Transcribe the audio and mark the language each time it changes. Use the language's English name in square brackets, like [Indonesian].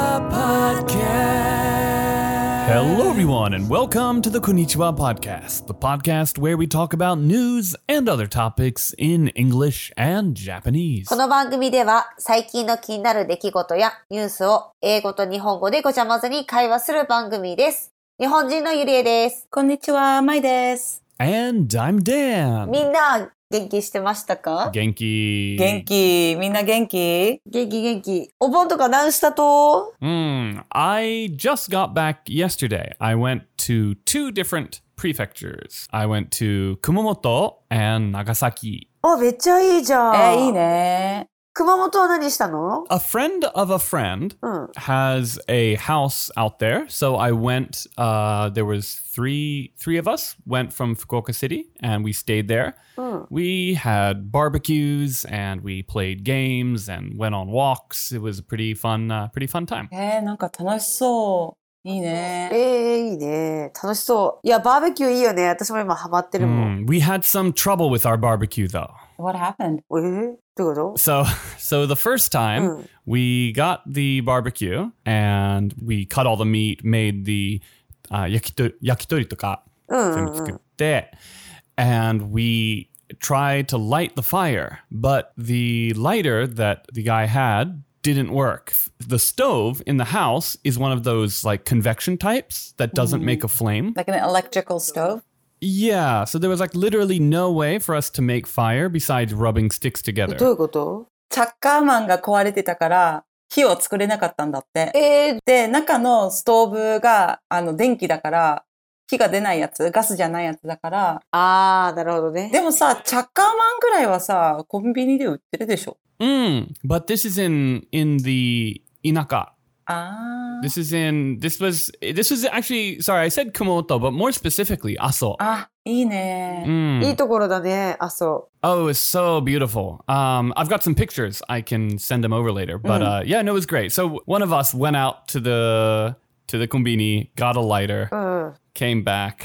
[English] Hello everyone and welcome to the Konnichiwa Podcast, the podcast where we talk about news and other topics in English and Japanese. [Japanese] この番組では最近の気になる出来事やニュースを英語と日本語でごちゃ混ぜに会話する番組です。日本人のゆりえです。こんにちは、まいです。 [English] And I'm Dan. [Japanese] みんな元気してましたか？元気。元気。みんな元気？元気元気。お盆とか何したと？ [English] I just got back yesterday. I went to two different prefectures. I went to Kumamoto and Nagasaki. [Japanese] あ、めっちゃいいじゃん。いいね。熊本は何したの？ [English] A friend of a friend has a house out there. So I went, there was three of us went from Fukuoka City and we stayed there. We had barbecues and we played games and went on walks. It was a pretty fun time. [Japanese] なんか楽しそう。いいね。いいね。楽しそう。いや、バーベキューいいよね。私も今ハマってるもん。 [English] We had some trouble with our barbecue though. What happened? So the first time, we got the barbecue, and we cut all the meat, made the yakitori とか全部作って、and we tried to light the fire, but the lighter that the guy had didn't work. The stove in the house is one of those like convection types that doesn't make a flame. Like an electrical stove? Yeah, so there was like literally no way for us to make fire besides rubbing sticks together. [Japanese] どういうこと？チャッカーマンが壊れてたから火を作れなかったんだって。で、中のストーブが電気だから火が出ないやつ、ガスじゃないやつだから。ああ、なるほどね。でもさ、チャッカーマンくらいはさ、コンビニで売ってるでしょ。 [English] But this is in the 田舎。 Sorry, I said Kumamoto, but more specifically, Aso. [Japanese] Ah, いいね。いいところだね、Aso. [English] Oh, it was so beautiful. I've got some pictures. I can send them over later. But it was great. So one of us went out to the konbini, got a lighter, came back.